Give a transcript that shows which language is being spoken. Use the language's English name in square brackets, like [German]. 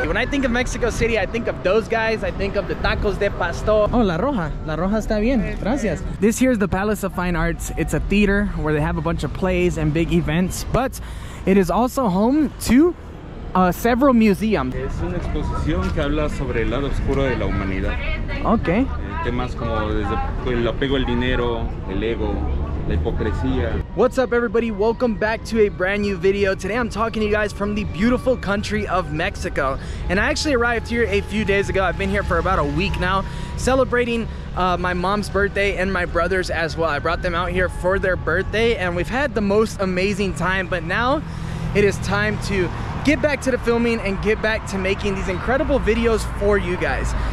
[English] think of Mexico City, I think of those guys. I think of the tacos de pastor. [Spanish] Oh, La Roja. La Roja está bien. Gracias. [English] This here is the Palace of Fine Arts. It's a theater where they have a bunch of plays and big events, but it is also home to several museums. [Spanish] Es una exposición que habla sobre el lado oscuro de la humanidad. [English] Okay. [Spanish] Temas como desde el apego al dinero, el ego, la hipocresía. [English] What's up, everybody? Welcome back to a brand new video. Today I'm talking to you guys from the beautiful country of Mexico. And I actually arrived here a few days ago. I've been here for about a week now, celebrating my mom's birthday and my brother's as well. I brought them out here for their birthday and we've had the most amazing time, but now it is time to get back to the filming and get back to making these incredible videos for you guys.